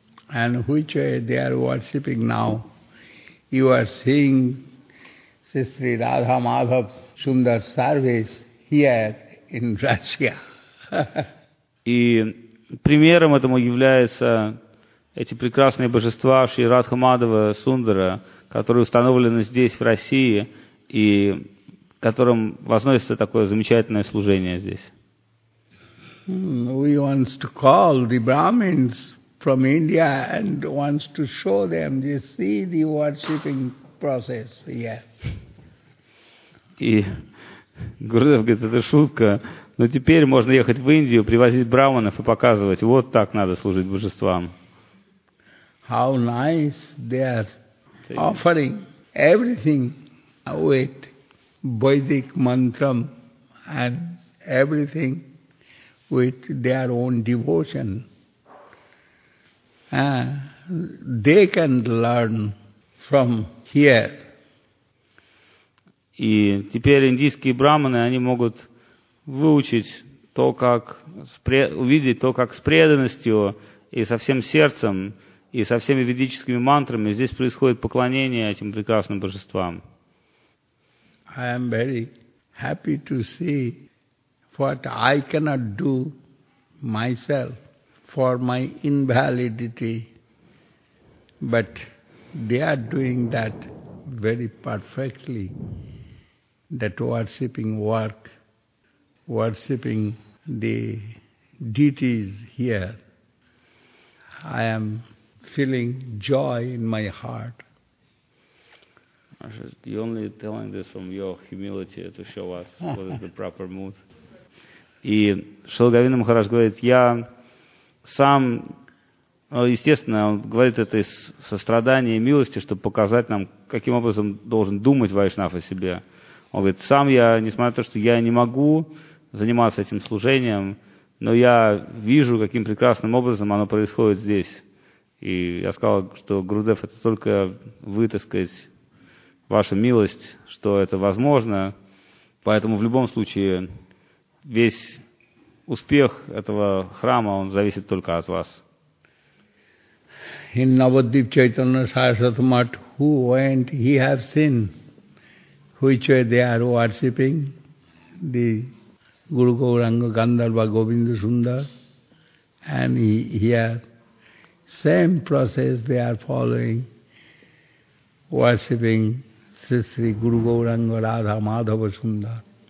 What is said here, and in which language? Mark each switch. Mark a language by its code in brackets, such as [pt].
[en] And which way they are worshipping now? You are seeing Sri Radha Madhav Sundar Sarvesh here in Russia. [ru] И примером этому являются эти прекрасные божества Шри Радха Мадхава Сундара, которые установлены здесь, в России, и которым возносится такое замечательное служение здесь. [en] He wants to call the Brahmins from India and wants to show them, you see, the worshipping process. Yeah. [ru] И Гурудев говорит, это шутка. Но теперь можно ехать в Индию, привозить брахманов и показывать, вот так надо служить божествам. [en] How nice they are offering everything with Vedic mantram and everything with their own devotion. They can learn from here. [ru] И теперь индийские брахманы, они могут выучить то, как увидеть то, как с преданностью и со всем сердцем и со всеми ведическими мантрами здесь происходит поклонение этим прекрасным божествам. [en] I am very happy to see what I cannot do myself for my invalidity, but they are doing that very perfectly. That worshipping work, worshipping the deities here, I am feeling joy in my heart. Maharaj, you're only telling this from your humility to show us what is the proper mood. [ru] И Шрила Говинда Махарадж говорит, я сам, естественно, он говорит это из сострадания и милости, чтобы показать нам, каким образом должен думать вайшнав о себе. Он говорит, сам я, несмотря на то, что я не могу заниматься этим служением, но я вижу, каким прекрасным образом оно происходит здесь. И я сказал, что Гурудев, это только вы, так сказать, ваша милость, что это возможно. Поэтому в любом случае весь успех этого храма, он зависит только от вас. [en] In Navadvip Chaitanya Sarasvata Math, who went, he has seen. Which way they are worshipping the Guru Gauranga Gandharva Govinda Sundar, and here same process they are following, worshipping Sri Sri Guru Gauranga Radha Madhava Sundar.